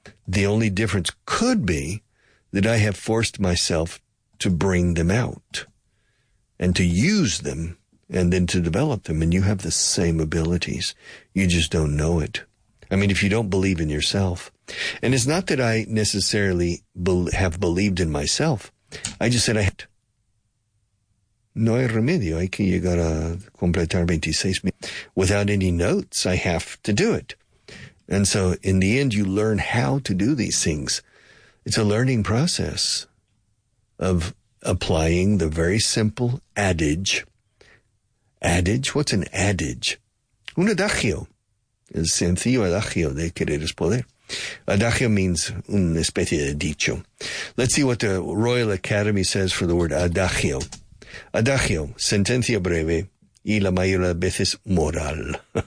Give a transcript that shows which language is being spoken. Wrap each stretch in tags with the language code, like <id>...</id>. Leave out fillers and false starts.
<en>The only difference could be that I have forced myself to bring them out and to use them and then to develop them. And you have the same abilities. You just don't know it. I mean, if you don't believe in yourself, and it's not that I necessarily have believed in myself. I just said I had.</en> <es>No hay remedio, hay que llegar a completar 26 mil.</es> <en>Without any notes, I have to do it. And so in the end, you learn how to do these things. It's a learning process of applying the very simple adage.</en> <es>Adage? What's an adage? Un adagio. El sencillo adagio de querer es poder. Adagio means una especie de dicho.</es> <en>Let's see what the Royal Academy says for the word adagio.</en> <es>Adagio, sentencia breve y la mayoría de veces moral.</es>